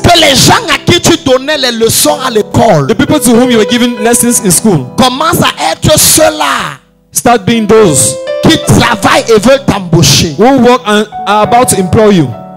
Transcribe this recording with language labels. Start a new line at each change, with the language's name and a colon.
French: Que les gens à qui tu donnais les leçons à l'école,
English: the people to whom you were giving lessons in school,
French: commence à être ceux-là.
English: Start being those
French: qui travaillent et veulent t'embaucher.
English: Who work and are about to employ you.